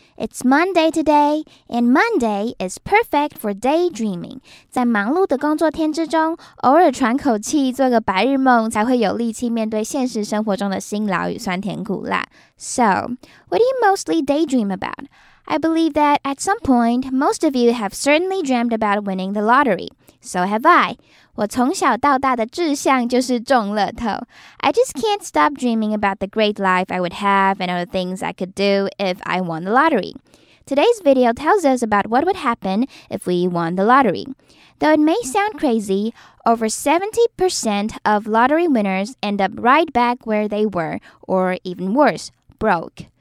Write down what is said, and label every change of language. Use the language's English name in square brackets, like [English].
[English] It's Monday today, and Monday is perfect for daydreaming. [Chinese] 在忙碌的工作天之中，偶尔喘口气，做个白日梦，才会有力气面对现实生活中的辛劳与酸甜苦辣。 [English] So, what do you mostly daydream about? I believe that at some point, most of you have certainly dreamt about winning the lottery. So have I. [Chinese] 我从小到大的志向就是中乐透。 [English] I just can't stop dreaming about the great life I would have and other things I could do if I won the lottery. Today's video tells us about what would happen if we won the lottery. Though it may sound crazy, over 70% of lottery winners end up right back where they were, or even worse, broke.